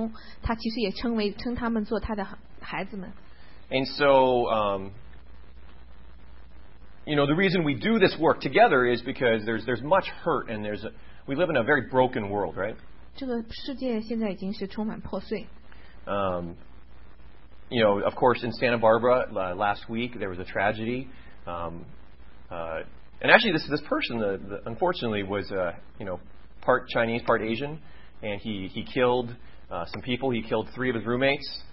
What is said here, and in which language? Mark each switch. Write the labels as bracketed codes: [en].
[zh] 这就像使徒保罗和他的同工，他其实也称他们做他的孩子们。 [en] And so, you know, the reason we do this work together is because there's much hurt and we live in a very broken world, right? [zh] 这个世界现在已经是充满破碎。 [en] You know, of course, in Santa Barbara last week there was a tragedy, and actually this person, unfortunately, was you know, part Chinese, part Asian, and he killed some people. He killed three of his roommates.